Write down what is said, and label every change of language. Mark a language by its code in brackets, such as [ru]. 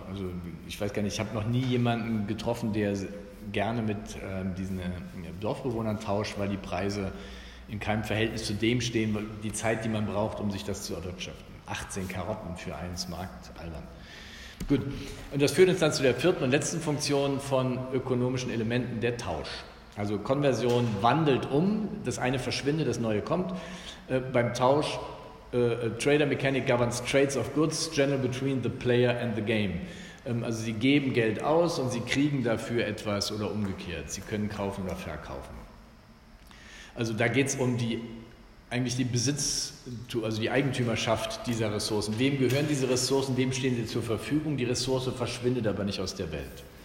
[de] Also ich weiß gar nicht, ich habe noch nie jemanden getroffen, der gerne mit diesen Dorfbewohnern tauscht, weil die Preise in keinem Verhältnis zu dem stehen, die Zeit, die man braucht, um sich das zu erwirtschaften. 18 Karotten für einen Smart, albern. Gut, und das führt uns dann zu der vierten und letzten Funktion von ökonomischen Elementen, der Tausch. Also Konversion wandelt um, das eine verschwindet, das neue kommt. Beim Tausch, [en] Trader Mechanic governs trades of goods general between the player and the game. [de] Also sie geben Geld aus und sie kriegen dafür etwas oder umgekehrt. Sie können kaufen oder verkaufen. Also da geht es um die, eigentlich die Besitz, also die Eigentümerschaft dieser Ressourcen. Wem gehören diese Ressourcen, wem stehen sie zur Verfügung? Die Ressource verschwindet aber nicht aus der Welt.